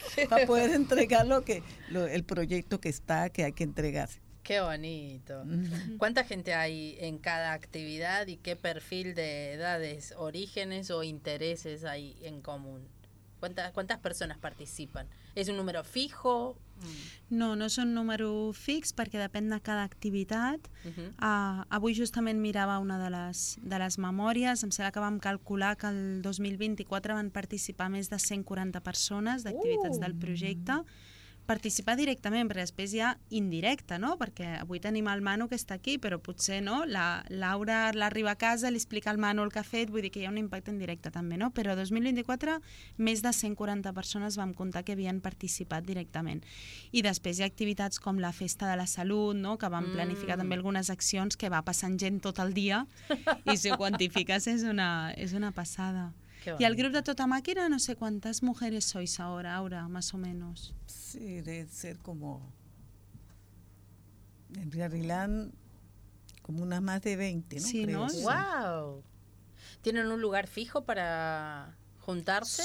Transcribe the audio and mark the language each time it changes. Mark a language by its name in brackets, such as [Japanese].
[Spanish] Para poder entregar el proyecto que hay que entregar. Qué bonito. ¿Cuánta gente hay en cada actividad y qué perfil de edades, orígenes o intereses hay en común? ¿Cuántas personas participan? ¿Es un número fijo? [Catalan] No és un número fix perquè depèn de cada activitat. Avui justament mirava una de les memòries, em sembla que vam calcular que el 2024 van participar més de 140 persones d'activitats del projecte. Participar directament, perquè després hi ha indirecta, no? Perquè avui tenim el Manu que està aquí, però potser no, la Laura l'arriba a casa, li explica al Manu el que ha fet, vull dir que hi ha un impacte indirecte també, no? Però 2024 més de 140 persones vam comptar que havien participat directament. I després hi ha activitats com la Festa de la Salut, no?, que vam planificar també algunes accions que va passant gent tot el dia i si ho quantifiques és una passada. [Spanish] Bueno. Y al grupo de Totamáquira, no sé cuántas mujeres sois ahora, Aura, más o menos. Sí, debe ser como... En Riarilán, como unas más de 20, ¿no? Sí, creo, ¿no? Sí. ¡Wow! ¿Tienen un lugar fijo para juntarse?